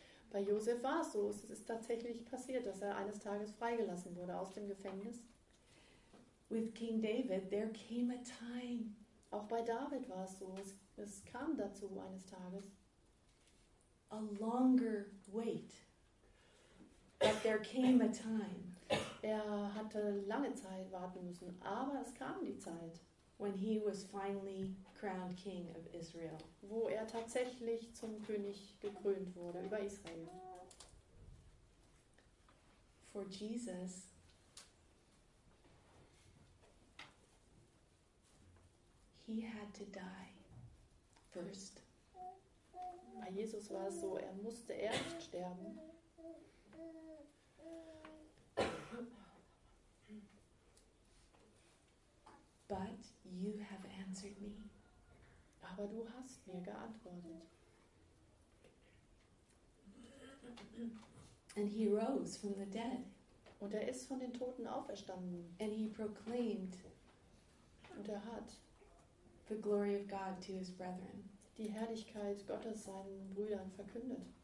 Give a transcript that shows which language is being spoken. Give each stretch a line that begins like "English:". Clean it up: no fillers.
German: Bei Joseph war es so, es ist tatsächlich passiert, dass er eines Tages freigelassen wurde aus dem Gefängnis.
English: With King David, there came a time.
German: Auch bei David war es so, es kam dazu eines Tages.
English: A longer wait. But there came a time.
German: Er hatte lange Zeit warten müssen, aber es kam die Zeit,
English: when he was finally crowned king of Israel.
German: Wo er tatsächlich zum König gekrönt wurde über Israel.
English: For Jesus, he had to die first.
German: Bei Jesus war es so, er musste erst sterben.
English: But you have answered me.
German: Aber du hast mir geantwortet.
English: And he rose from the dead.
German: Und ist von den Toten auferstanden.
English: And he proclaimed.
German: Und hat
English: the glory of God to his brethren.
German: Die Herrlichkeit Gottes seinen Brüdern verkündet.